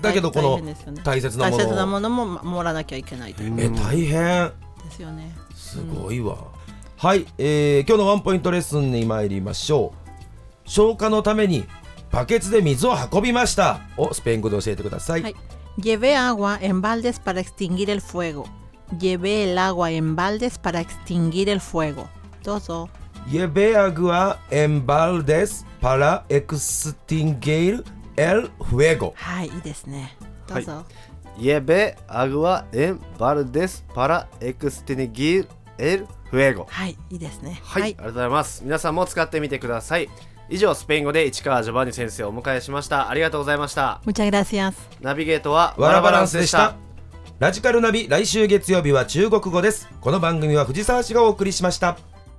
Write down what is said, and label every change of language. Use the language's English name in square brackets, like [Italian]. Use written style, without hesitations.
[Japanese] だけどこの大切なものを、大切なものも守らなきゃいけないという、大変ですよね。すごいわ。はい、今日のワンポイントレッスンに参りましょう。消火のためにバケツで水を運びましたをスペイン語で教えてください。はい。 [Spanish] Llevé agua en baldes para extinguir el fuego. Llevé el agua en baldes para extinguir el fuego. [Japanese] どうぞ。 [Spanish] Llevé agua en baldes para extinguir el fuego. [Japanese] はい、いいですね。どうぞ。 [Spanish] Llevé agua en baldes para extinguir el fuego. [Japanese] はい、いいですね。はい、ありがとうございます。皆さんも使ってみてください。以上、スペイン語で市川ジョバンニ先生をお迎えしました。ありがとうございました。 [Spanish] Muchas gracias。 [Japanese] ナビゲートはワラバランスでした。ラジカルナビ、来週月曜日は中国語です。この番組は藤沢氏がお送りしました。